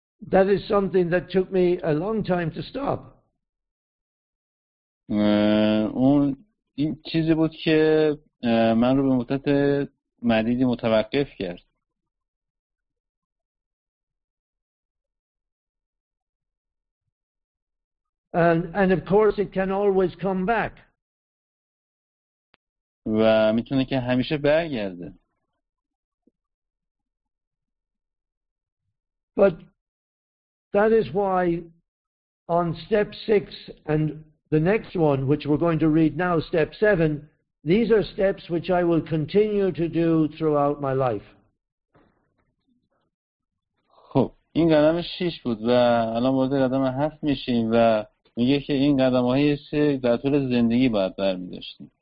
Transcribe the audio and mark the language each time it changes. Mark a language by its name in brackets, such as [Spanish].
[English] That is something that took me a long time to stop. [Persian] اون این چیزی بود که من رو به مدت مدیدی متوقف کرد. [English] And of course it can always come back. [Persian] و میتونه که همیشه برگرده. [English] But that is why on step 6 and the next one which we're going to read now step 7 these are steps which I will continue to do throughout my life. [Persian] خب این قدم 6 بود و الان وارد قدم 7 میشیم و میگه که این قدم هایی سه در طول زندگی باید برمی داشتیم.